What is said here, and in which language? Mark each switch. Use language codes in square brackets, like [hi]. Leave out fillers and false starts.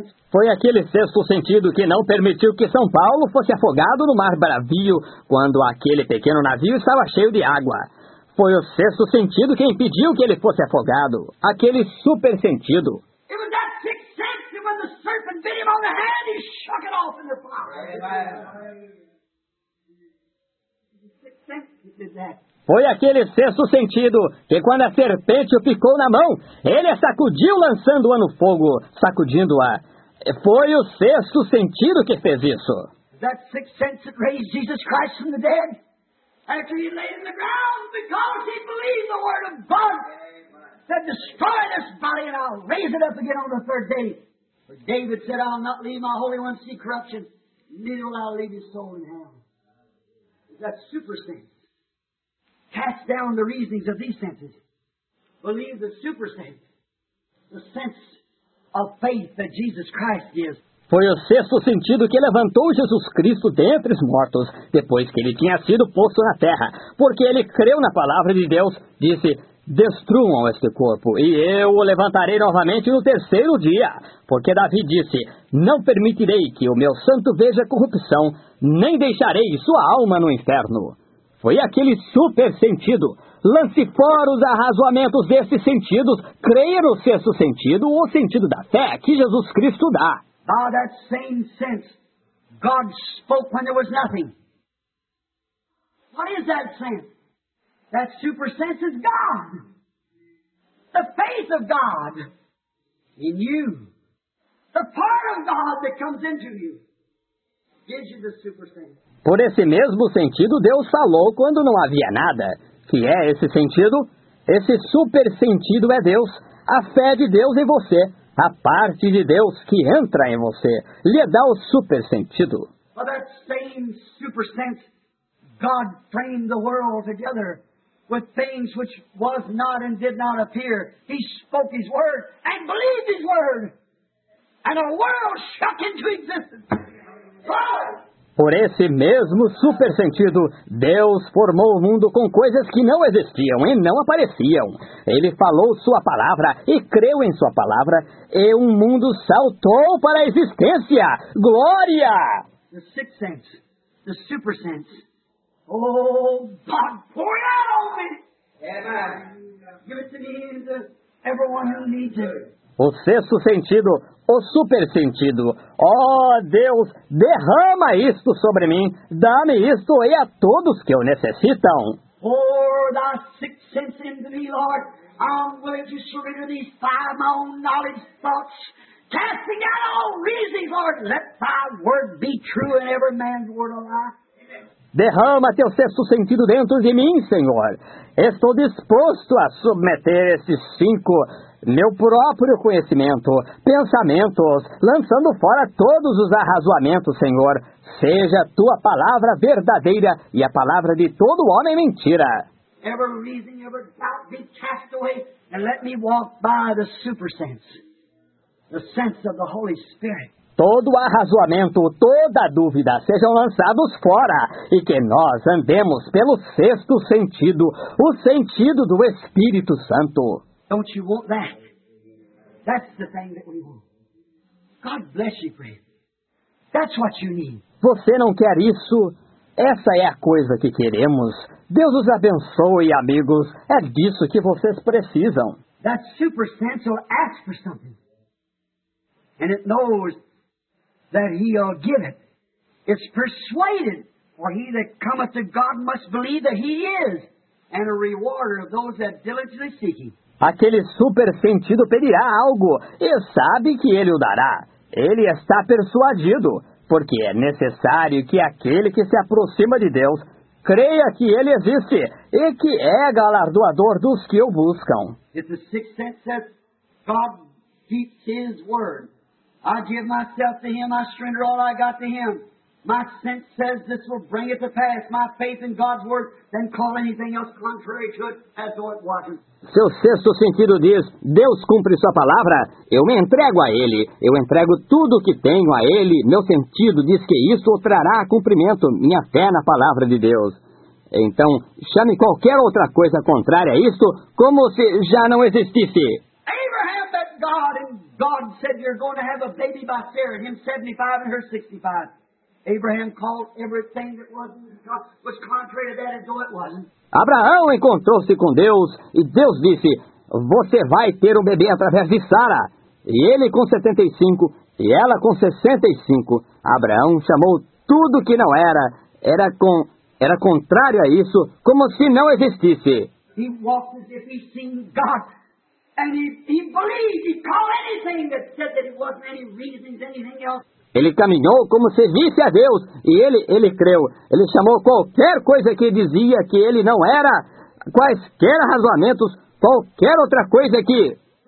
[pt] Foi aquele sexto sentido que não permitiu que São Paulo fosse afogado no mar bravio quando aquele pequeno navio estava cheio de água. Foi o sexto sentido que impediu que ele fosse afogado. Aquele super sentido. [en] It was that sixth sense that when the serpent bit him on the hand, he shook it off in the flower. Amen. [pt] Foi aquele sexto sentido que quando a serpente o picou na mão, ele a sacudiu lançando-a no fogo, sacudindo-a. Foi o sexto sentido que fez isso. [en] That sixth sense that raised Jesus Christ from the dead after he lay in the ground because he believed the word of God. Said, destroy this body and I'll raise it up again on the third day. For David said, I'll not leave my holy one see corruption, neither will I leave his soul in hell. That super sense. Cast down the reasonings of these senses. Believe the super sense. The sense of faith that Jesus Christ is. [pt] Foi o sexto sentido que levantou Jesus Cristo dentre os mortos, depois que ele tinha sido posto na terra. Porque ele creu na palavra de Deus, disse, destruam este corpo, e eu o levantarei novamente no terceiro dia. Porque Davi disse, não permitirei que o meu santo veja corrupção, nem deixarei sua alma no inferno. Foi aquele super sentido. Lance fora os arrazoamentos desses sentidos, creia no sexto sentido, o sentido da fé que Jesus Cristo dá. [en] By that same sense, God spoke when there was nothing. What is that sense? That super sense is God. The faith of God in you. The part of God that comes into you gives you the super sense. [pt] Por esse mesmo sentido, Deus falou quando não havia nada. Que é esse sentido? Esse super sentido é Deus, a fé de Deus em você. A parte de Deus que entra em você lhe dá o super sentido. [en] For that same super sense, God framed the world together with things which was not and did not appear. He spoke His word and believed His word, and a world shook into existence. God. [pt] Por esse mesmo super sentido, Deus formou o mundo com coisas que não existiam e não apareciam. Ele falou sua palavra e creu em sua palavra, e um mundo saltou para a existência. Glória! [en] The sixth sense, the super sense. Oh, God, pour it out on me! Amen. Give it to me and to everyone who needs it. [pt] O sexto sentido, o super sentido. Oh, Deus, derrama isto sobre mim. Dá-me isto e a todos que o necessitam. [en] Pour thy sixth sense into me, Lord. I'm willing to surrender these five my own knowledge thoughts. Casting out all reasons, Lord. Let thy word be true and every man's word a lie. [pt] Derrama teu sexto sentido dentro de mim, Senhor. Estou disposto a submeter esses cinco... meu próprio conhecimento, pensamentos, lançando fora todos os arrazoamentos, Senhor. Seja a Tua palavra verdadeira e a palavra de todo homem mentira. [en] Every reason, every doubt be cast away and let me walk by the super sense. The sense of the Holy Spirit. [pt] Todo arrazoamento, toda dúvida sejam lançados fora e que nós andemos pelo sexto sentido, o sentido do Espírito Santo. [en] Don't you want that? That's the thing that we want. God bless you, friend. That's what you need. [pt] Você não quer isso? Essa é a coisa que queremos. Deus os abençoe, amigos. É disso que vocês precisam. [en] That super sense will ask for something. And it knows that He'll give it. It's persuaded. For he that cometh to God must believe that He is. And a rewarder of those that diligently seek Him. [pt] Aquele super sentido pedirá algo e sabe que ele o dará. Ele está persuadido, porque é necessário que aquele que se aproxima de Deus creia que ele existe e que é galardoador dos que o buscam. [en] If the sixth sense says, God keeps His word. I give myself to Him, I surrender all I got to Him. My sense says this will bring it to pass. My faith in God's word, then call anything else contrary to it as though it wasn't. [pt] Seu sexto sentido diz, Deus cumpre sua palavra, eu me entrego a Ele, eu entrego tudo o que tenho a Ele, meu sentido diz que isso o trará a cumprimento, minha fé na palavra de Deus. Então, chame qualquer outra coisa contrária a isto, como se já não existisse. [en] Abraham met God, and God said you're going to have a baby by Sarah, him 75 and her 65. Abraham called everything that was contrary to that as though it wasn't. [pt] Abraão encontrou-se com Deus e Deus disse, você vai ter um bebê através de Sara. E ele com 75 e ela com 65. Abraão chamou tudo que não era, era contrário a isso, como se não existisse. [en] He walked as if he seen God, and he believed, he called anything that said that it wasn't any reasons, anything else. [pt] Ele caminhou como se visse a Deus, e ele creu. Ele chamou qualquer coisa que dizia que ele não era, quaisquer razoamentos, qualquer outra coisa que...